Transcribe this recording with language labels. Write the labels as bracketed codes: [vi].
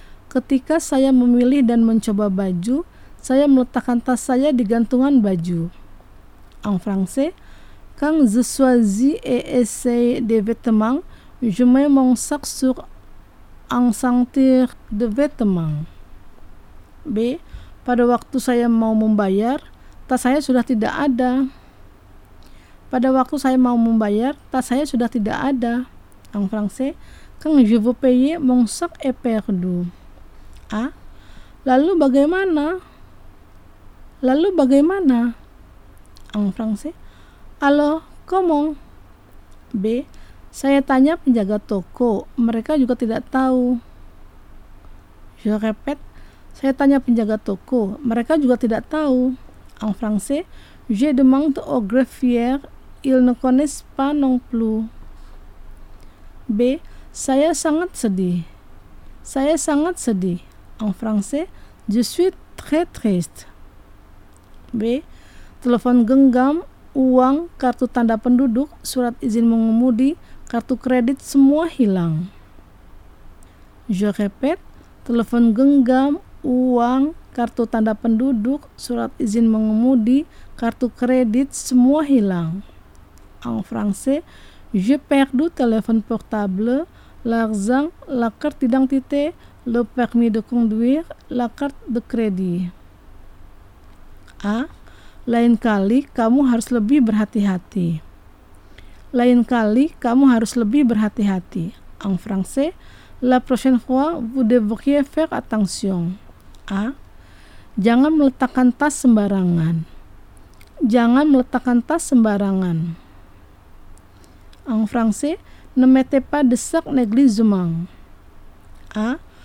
[id] Ketika saya memilih dan mencoba baju, saya meletakkan tas saya di gantungan baju. [fr] En français, quand je choisis et essaye des vêtements, je mets mon sac sur un sentier de vêtements. B. [id] Pada waktu saya mau membayar, tas saya sudah tidak ada. Pada waktu saya mau membayar, tas saya sudah tidak ada. [fr] En français, quand je veux payer, mon sac est perdu. [id] A. Lalu bagaimana? Lalu bagaimana? [fr] En français, alors, comment? B. [id] Saya tanya penjaga toko, mereka juga tidak tahu. [fr] Je répète. [id] Saya tanya penjaga toko, mereka juga tidak tahu. [fr] En français, je demande au greffier, ils ne connaissent pas non plus. B. [id] Saya sangat sedih. Saya sangat sedih. [fr] En français, je suis très triste. [id] B. Telepon genggam, uang, kartu tanda penduduk, surat izin mengemudi, kartu kredit semua hilang. [fr] Je répète, [id] telepon genggam, uang, kartu tanda penduduk, surat izin mengemudi, kartu kredit, semua hilang. [fr] En français, je perdu téléphone portable, l'argent, la carte d'identité, le permis de conduire, la carte de crédit. A. [id] Lain kali, kamu harus lebih berhati-hati. Lain kali, kamu harus lebih berhati-hati. [fr] En français, la prochaine fois, vous devriez faire attention. A. [id] Jangan meletakkan tas sembarangan. Jangan meletakkan tas sembarangan. [fr] En français, ne mettez pas de sac négligemment. A.